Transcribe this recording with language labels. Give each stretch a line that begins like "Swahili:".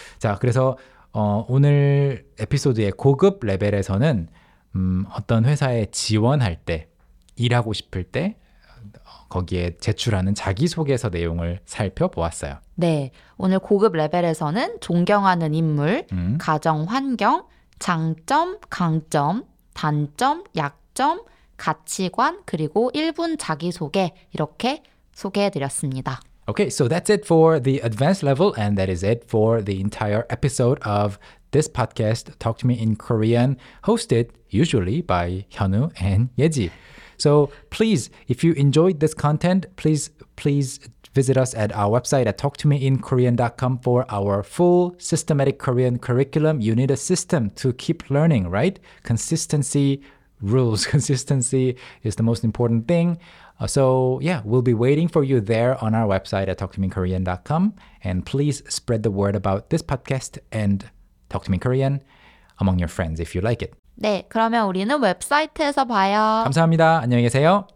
Korean: 자, 그래서 오늘 에피소드의 고급 레벨에서는 어떤 회사에 지원할 때, 일하고 싶을 때 거기에 제출하는 자기소개서 내용을 살펴보았어요. 네. 오늘 고급 레벨에서는 존경하는 인물, 가정환경, 장점, 강점, 단점, 약점, 가치관, 그리고 1분 자기소개 이렇게 소개해드렸습니다.
English: Okay, so that's it for the advanced level and that is it for the entire episode of this podcast, Talk to Me in Korean, hosted usually by Hyunwoo and Yeji. So please, if you enjoyed this content, please, please visit us at our website at talktomeinkorean.com for our full systematic Korean curriculum. You need a system to keep learning, right? Consistency rules. Consistency is the most important thing. So yeah, we'll be waiting for you there on our website at talktomeinkorean.com. And please spread the word about this podcast and Talk to Me in Korean among your friends if you like it.
Korean: 네, 그러면 우리는 웹사이트에서 봐요. 감사합니다. 안녕히 계세요.